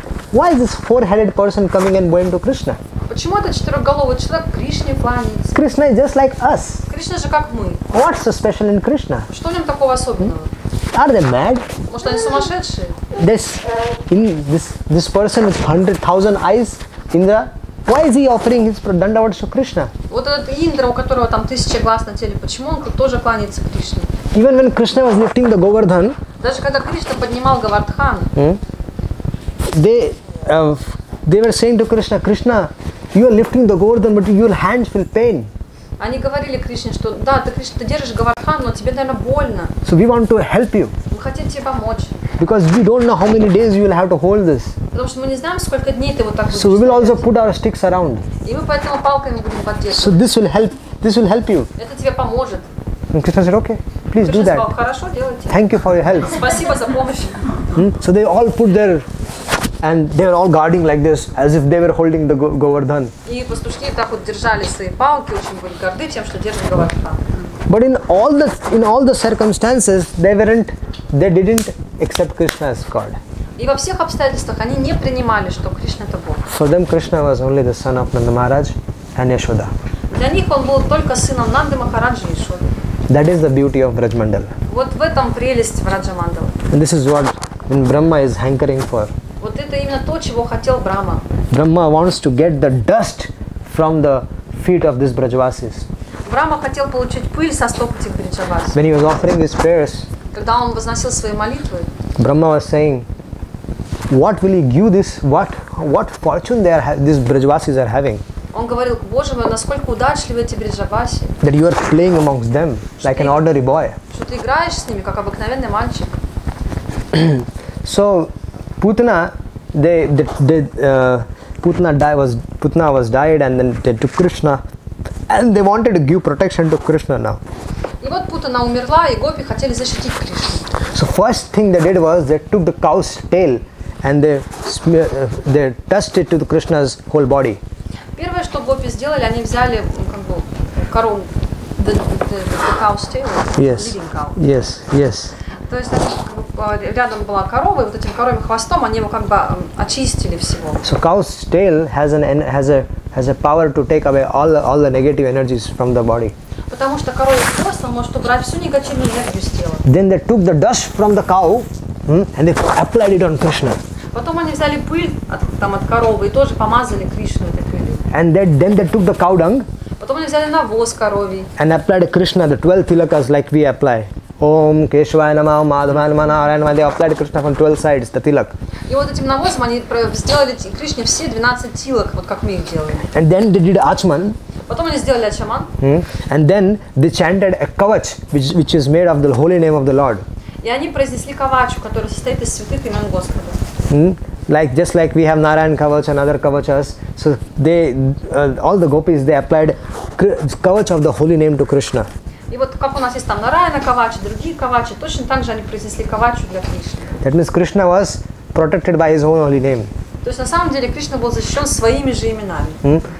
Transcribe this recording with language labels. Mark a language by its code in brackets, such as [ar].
[en] Why is this four-headed person coming and bowing to Krishna? [ru] Почему этот четырехголовый человек Кришне кланяется? [en] Krishna is just like us. [ru] Кришна же как мы. [en] What's so special in Krishna? [ru] Что в нем такого особенного? [en] Are they mad? [ru] Может, они сумасшедшие? [en] This person with 100,000 eyes, Indra. Why is he offering his dandavats to Krishna? [ru] Вот этот Индра, у которого там тысяча глаз на теле, почему он тоже кланяется Кришне? [en] Even when Krishna was lifting the Govardhan. [ru] Даже когда Кришна поднимал Говардхан. [en] They were saying to Krishna, you are lifting the Govardhan, but your hands feel pain. [ru] Они говорили Кришне, что да, ты Кришна, ты держишь Говардхан, но тебе, наверное, больно. [en] So we want to help you. [ru] Мы хотим тебе помочь. [en] Because we don't know how many days you will have to hold this. [ru] Потому что мы не знаем, сколько дней ты вот так будешь. [en] So we will also put our sticks around. [ru] И мы поэтому палками будем поддерживать. [en] So this will help you. [ru] Это тебе поможет. [en] And Krishna said, okay, please Krishna do that. [ru] Сказал, хорошо, делайте. [en] Thank you for your help. [ru] Спасибо за помощь. [en] So they all put their And they were all guarding like this, as if they were holding the Govardhan. [ru] И пастушки так вот держали свои палки, очень были горды тем, что держат Говардхан. [en] But in all the circumstances, they didn't accept Krishna as God. [ru] И во всех обстоятельствах они не принимали, что Кришна это Бог. [en] For them, Krishna was only the son of Nanda Maharaj and Yashoda. [ru] Для них он был только сыном Нанды Махараджи и Яшоды. [en] That is the beauty of Брадж-мандал. [ru] Вот в этом прелесть Брадж-мандала. [en] And this is what Brahma is hankering for. [ru] Вот это именно то, чего хотел Брахма. [en] Brahma wants to get the dust from the feet of these Brajavasis. [ru] Брахма хотел получить пыль со стоп этих Брадживасис. [en] When he was offering his prayers, [ru] когда он возносил свои молитвы, [en] Brahma was saying, what will he give this, what fortune they are, these Brajavasis are having? [ru] Он говорил, Боже мой, насколько удачливы эти Брадживасис. [en] That you are playing amongst them, like an ordinary boy. [ru] Что ты играешь с ними, как обыкновенный мальчик. [en] So, Putana, Putana died, and then they took Krishna, and they wanted to give protection to Krishna now. [ru] И вот Путана умерла, и гопи хотели защитить Кришну. [en] So first thing they did was they took the cow's tail, and they touched it to Krishna's whole body. [ru] Первое, что гопи сделали, они взяли корову, [en] the cow's tail. Yes. Cow. Yes. Yes. [ru] То есть рядом была корова, и вот этим коровьим хвостом они его как бы очистили всего. [en] So cow's tail has a power to take away all the negative energies from the body. [ru] потому что король взрослый может убрать всю негативную энергию с тела. [en] Then they took the dust from the cow and they applied it on Krishna. [ru] Потом они взяли пыль от, там, от коровы и тоже помазали Кришну этой пылью. [en] And then they took the cow dung. [ru] Потом они взяли навоз коровий. [en] And applied Krishna the 12 tilakas like we apply. [sa] Om Keshavaya Namah Madhavaya Namah Narayana Namah. [en] They applied Krishna from 12 sides, the tilak. [ru] И вот этим навозом они сделали Кришне все 12 тилок, вот как мы их делаем. [en] And then they did Achman. [ru] Потом они сделали Ачаман. [en] And then they chanted a Kavach, which is made of the holy name of the Lord. [ru] И они произнесли Кавачу, который состоит из святых имен Господа. [en] Like just like we have Narayan Kavach and other Kavachas, so they all the gopis they applied Kavach of the holy name to Krishna. [ru] И вот как у нас есть там Нараяна Кавачи, другие Кавачи, точно так же они произнесли Кавачу для Кришны. [en] That means Krishna was protected by his own holy name. [ru] То есть на самом деле Кришна был защищен своими же именами.